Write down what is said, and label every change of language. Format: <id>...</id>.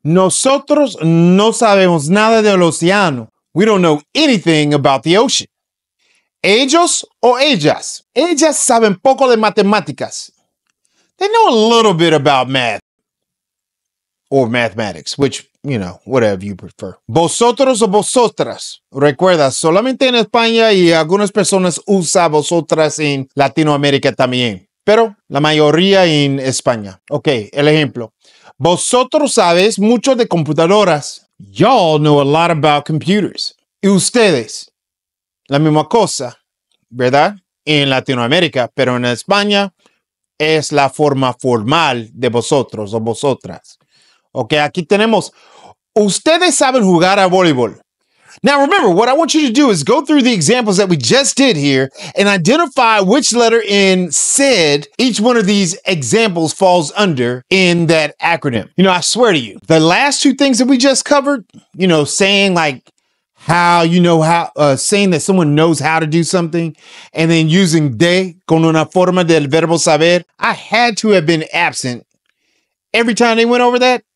<es>Nosotros no sabemos nada del océano.</es> <en>We don't know anything about the ocean.</en> <es>Ellos o ellas. Ellas saben poco de matemáticas.</es> <en>They know a little bit about math. Or mathematics, which, you know, whatever you prefer.</en> <es>Vosotros o vosotras. Recuerda, solamente en España y algunas personas usa vosotras en Latinoamérica también. Pero la mayoría en España. Okay, el ejemplo. Vosotros sabes mucho de computadoras.</es> <en>Y'all know a lot about computers.</en> <es>Y ustedes. La misma cosa, ¿verdad? En Latinoamérica, pero en España es la forma formal de vosotros o vosotras. Ok, aquí tenemos, ustedes saben jugar a voleibol.</es> <en>Now remember, what I want you to do is go through the examples that we just did here and identify which letter in said each one of these examples falls under in that acronym. You know, I swear to you, the last two things that we just covered, you know, saying like how, you know, how saying that someone knows how to do something and then using</en> <es>de con una forma del verbo saber,</es> <en>I had to have been absent every time they went over that.</en>